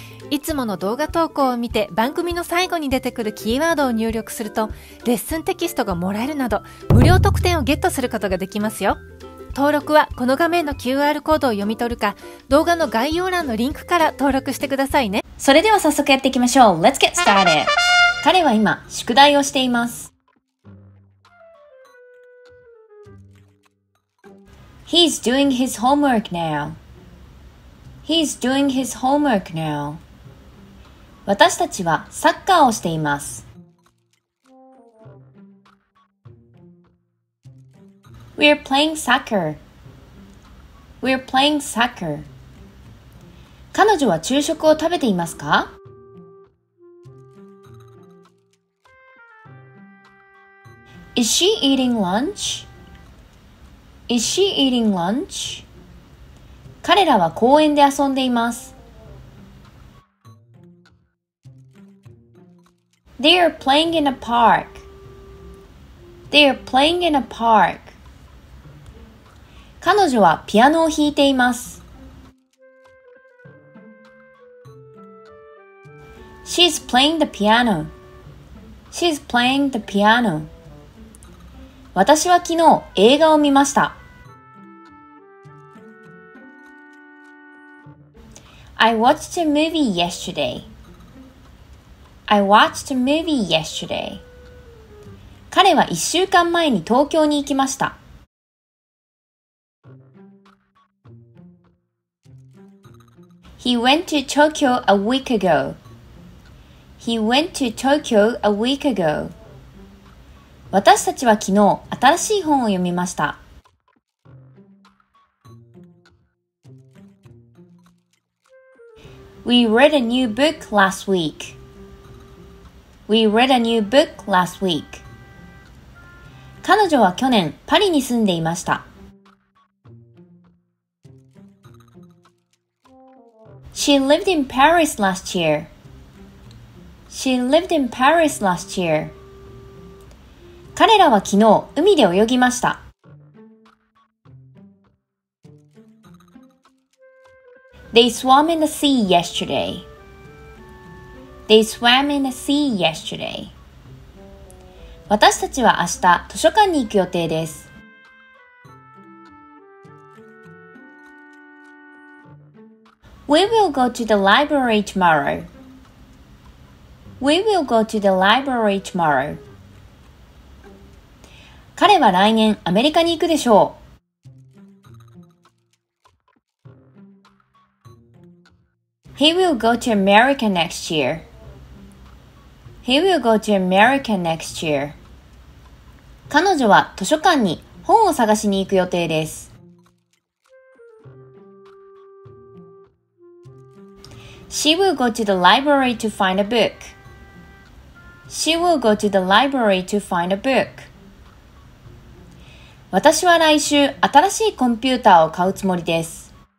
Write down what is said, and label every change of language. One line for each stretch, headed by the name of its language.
Japanese: いつもの動画投稿を見て番組の最後に出てくるキーワードを入力するとレッスンテキストがもらえるなど無料特典をゲットすることができますよ。登録はこの画面の QR コードを読み取るか動画の概要欄のリンクから登録してくださいね。それでは早速やっていきましょう。
English: Let's get started。
Japanese: 彼は今宿題をしています。
English: He's doing his homework now. He's doing his homework now.
Japanese: 私たちはサッカーをしています。
English: We're playing soccer. We're playing soccer.
Japanese: 彼女は昼食を食べていますか？
English: Is she eating lunch? Is she eating lunch?
Japanese: 彼らは公園で遊んでいます。
English: They are playing in a park. They are playing in a park.
Japanese: 彼女はピアノを弾いています。
English: She's playing the piano. She's playing the piano.
Japanese: 私は昨日映画を見ました。
English: I watched a movie yesterday. I watched a movie yesterday.
Japanese: 彼は1週間前に東京に行きました。
English: He went to Tokyo a week ago. He went to Tokyo a week ago.
Japanese: 私たちは昨日新しい本を読みました。
English: We read a new book last week. We read a new book last week.
Japanese: 彼女は去年パリに住んでいました。
English: She lived in Paris last year. She lived in Paris last year.
Japanese: 彼らは昨日海で泳ぎました。
English: They swam in the sea yesterday. They swam in the sea yesterday.
Japanese: 私たちは明日図書館に行く予定です。
English: We will go to the library tomorrow. We will go to the library tomorrow.
Japanese: 彼は来年アメリカに行くでしょう。
English: He will go to America next year. He will go to America next year.
Japanese: 彼女は図書館に本を探しに行く予定です。
English: She will go to the library to find a book. She will go to the library to find a book.
Japanese: 私は来週新しいコンピューターを買うつもりです。